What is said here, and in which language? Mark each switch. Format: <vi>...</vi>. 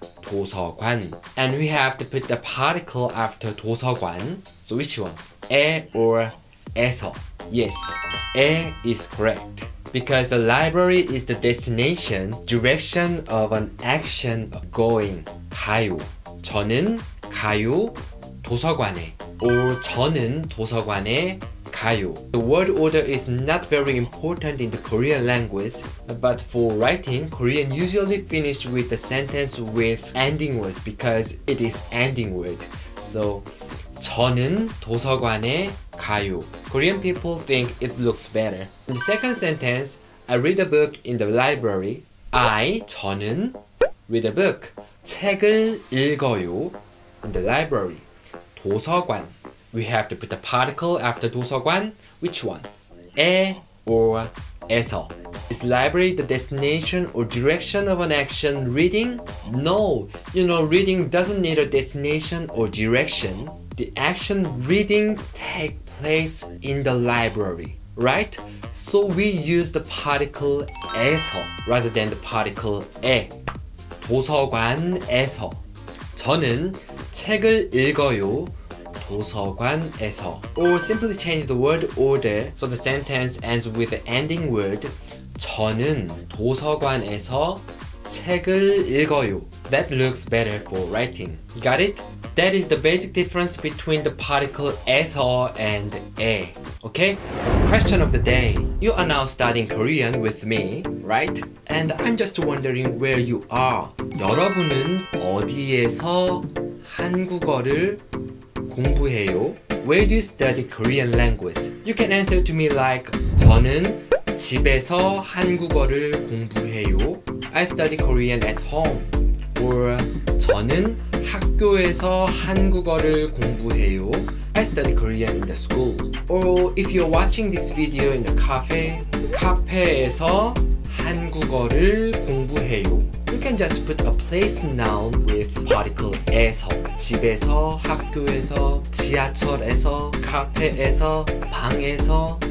<ko>도서관.</ko> <en>And we have to put the particle after 도서관. So which one? 에 or 에서? Yes, 에 is correct. Because a library is the destination, direction of an action going.</en> <ko>가요. 저는 가요 도서관에. Or 저는 도서관에 가요.</ko> <en>The word order is not very important in the Korean language, but for writing, Korean usually finish with the sentence with ending words because it is ending word.</en> <ko>So, 저는 도서관에 가요.</ko> <en>Korean people think it looks better. In the second sentence, I read a book in the library. I, 저는, read a book.</en> <ko>책을 읽어요</ko> <en>in the library. 도서관. We have to put the particle after 도서관. Which one? 에 or 에서. Is library the destination or direction of an action reading? No. You know, reading doesn't need a destination or direction. The action reading takes place in the library, right? So we use the particle 에서 rather than the particle 에.</en> <ko>도서관에서. 저는 책을 읽어요. 도서관에서.</ko> <en>Or simply change the word order so the sentence ends with the ending word.</en> <ko>저는 도서관에서 책을 읽어요.</ko> <en>That looks better for writing. Got it? That is the basic difference between the particle 에서 and 에. Okay? Question of the day. You are now studying Korean with me, right? And I'm just wondering where you are.</en> <ko>여러분은 어디에서 한국어를 공부해요?</ko> <en>Where do you study Korean language? You can answer to me like</en> <ko>저는 집에서 한국어를 공부해요.</ko> <en>I study Korean at home.</en> <ko>Or 저는 학교에서 한국어를 공부해요.</ko> <en>I study Korean in the school. Or if you're watching this video in a cafe,</en> <ko>카페에서 한국어를 공부해요.</ko> <en>You can just put a place noun with particle 에서.</en> <ko>집에서, 학교에서, 지하철에서, 카페에서, 방에서.</ko>